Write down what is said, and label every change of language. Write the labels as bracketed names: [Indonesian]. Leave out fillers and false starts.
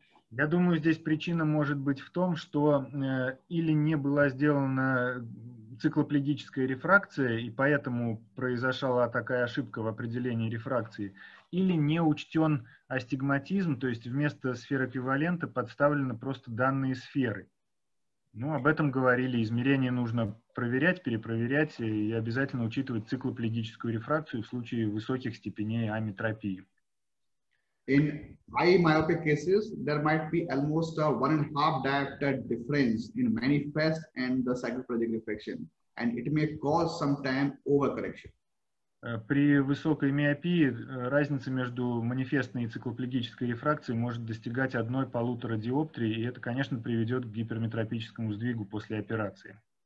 [Russian] Я думаю, здесь причина может быть в том, что или не была сделана циклоплегическая рефракция, и поэтому произошла такая ошибка в определении рефракции, или не учтен астигматизм, то есть вместо сферы эквивалента подставлены просто данные сферы. Ну, об этом говорили. Измерение нужно проверять, перепроверять и обязательно учитывать циклоплегическую рефракцию в случае высоких степеней аметропии. [English] In high myopic cases, there might be almost a 1.5 diopter difference in manifest and the cycloplegic refraction, and it may cause some time overcorrection. [Russian] При высокой миопии разница между манифестной и циклоплегической рефракцией может достигать 1.5 диоптрии, и это, конечно, приведет к гиперметропическому сдвигу после операции.